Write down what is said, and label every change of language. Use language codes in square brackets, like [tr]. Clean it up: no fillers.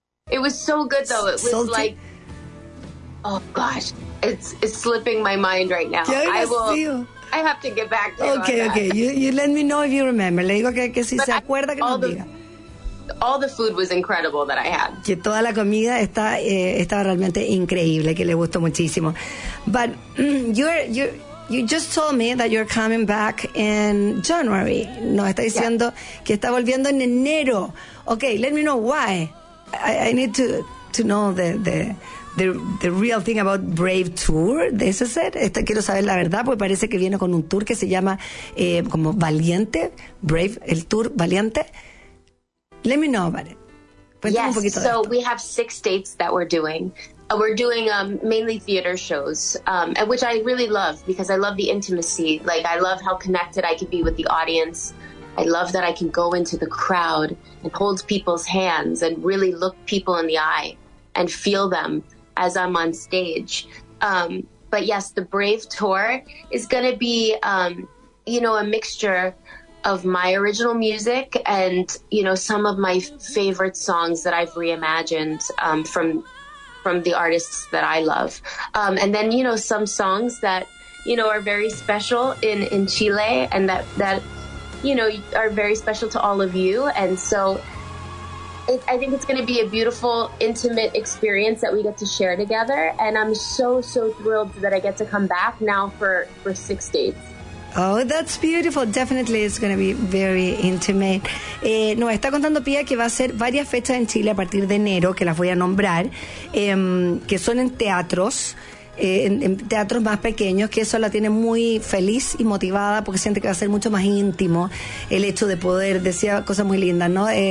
[en] It was so good, though. It was salty. Like, oh gosh, it's slipping my mind right now. I have to get back to you. Okay. You let me know if you remember. [es] Le digo que si se acuerda que nos diga. [en] All the food was incredible that I had. [es] Que toda la comida estaba realmente increíble, que le gustó muchísimo. [en] But you just told me that you're coming back in January. [es] Nos está diciendo que está volviendo en enero. [en] Okay, let me know why. I need to know the real thing about Brave Tour. This is it. [es] Quiero saber la verdad, porque parece que viene con un tour que se llama como Valiente, Brave, el tour Valiente. [en] Let me know about it. [es] Cuéntame un poquito. [en] Yes, so we have 6 dates that we're doing. We're doing mainly theater shows, which I really love because I love the intimacy. Like, I love how connected I can be with the audience. I love that I can go into the crowd and hold people's hands and really look people in the eye and feel them as I'm on stage. But yes, the Brave Tour is going to be, you know, a mixture of my original music and, you know, some of my favorite songs that I've reimagined from the artists that I love. And then, you know, some songs that, you know, are very special in Chile and that, you know, are very special to all of you. And so I think it's going to be a beautiful, intimate experience that we get to share together. And I'm so, so thrilled that I get to come back now for 6 dates. Oh, that's beautiful. Definitely it's going to be very intimate. [es] Nos está contando Pia que va a ser varias fechas en Chile a partir de enero, que las voy a nombrar, que son en teatros. En teatros más pequeños, que eso la tiene muy feliz y motivada porque siente que va a ser mucho más íntimo el hecho de poder, decía cosas muy lindas, ¿no?